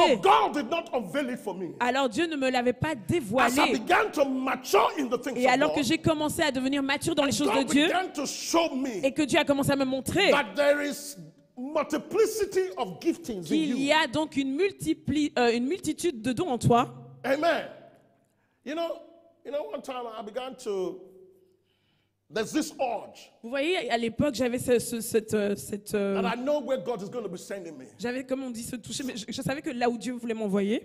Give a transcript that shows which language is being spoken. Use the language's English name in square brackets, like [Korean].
[English] So God did not unveil it for me. [French] Alors Dieu ne me l'avait pas dévoilé. [English] As I began to mature in the things [French] et alors [English] of God, [French] que j'ai commencé à devenir mature dans les choses [English] God [French] de Dieu [English] began to show me [French] et que Dieu a commencé à me montrer [English] that there is multiplicity of giftings [French] qu'il [English] in you. [French] Y a donc une multitude de dons en toi. [English] Amen. You know, one time I began to There's this urge. [French] Vous voyez, à l'époque, j'avais cette. [English] And I know where God is going to be sending me. [French] J'avais, comme on dit, ce toucher, mais je savais que là où Dieu voulait m'envoyer.